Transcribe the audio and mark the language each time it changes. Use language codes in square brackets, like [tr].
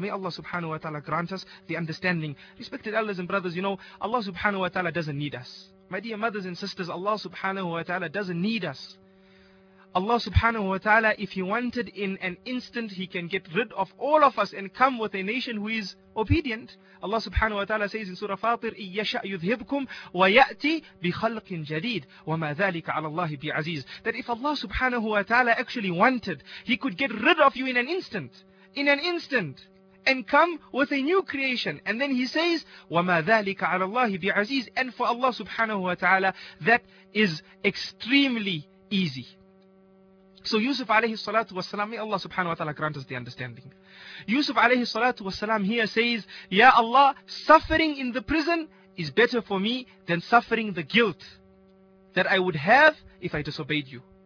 [en] May Allah subhanahu wa ta'ala grant us the understanding. Respected elders and brothers, you know, Allah subhanahu wa ta'ala doesn't need us. My dear mothers and sisters, Allah subhanahu wa ta'ala doesn't need us. Allah subhanahu wa ta'ala, if he wanted in an instant, he can get rid of all of us and come with a nation who is obedient. Allah subhanahu wa ta'ala says in Surah Fatir, [ar] إِيَّشَأْ يُذْهِبْكُمْ وَيَأْتِي بِخَلْقٍ جَدِيدٍ وَمَا ذَلِكَ عَلَى اللَّهِ بِعَزِيزٍ. [en] That if Allah subhanahu wa ta'ala actually wanted, he could get rid of you in an instant. In an instant. And come with a new creation. And then he says, [ar] وَمَا ذَلِكَ عَلَى اللَّهِ بِعَزِيزٍ. [en] And for Allah subhanahu wa ta'ala, that is extremely easy. So Yusuf alayhi salatu wasalam, may Allah subhanahu wa ta'ala grant us the understanding. Yusuf alayhi salatu wasalam here says, Ya Allah, suffering in the prison is better for me than suffering the guilt that I would have if I disobeyed you.